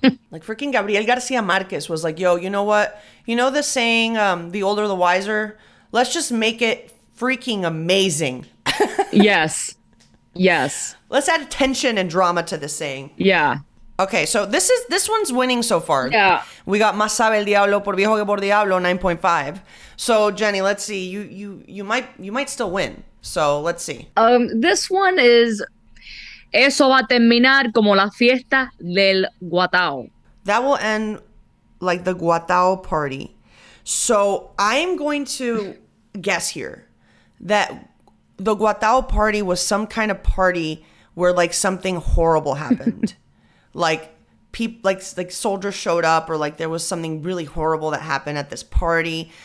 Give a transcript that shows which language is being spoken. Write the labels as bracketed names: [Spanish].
[English] Like freaking Gabriel Garcia Marquez was like, yo, you know what? You know the saying, the older the wiser? Let's just make it freaking amazing. Yes. Yes. Let's add tension and drama to this saying. Yeah. Okay, so this one's winning so far. Yeah. We got [Spanish] Más sabe el diablo por viejo que por diablo, 9.5. [English] So Jenny, let's see. You might still win. So let's see. This one is [Spanish] Eso va a terminar como la fiesta del guatao. [English] That will end like the guatao party. So I'm going to guess here that the guatao party was some kind of party where like something horrible happened. like soldiers showed up or like there was something really horrible that happened at this party.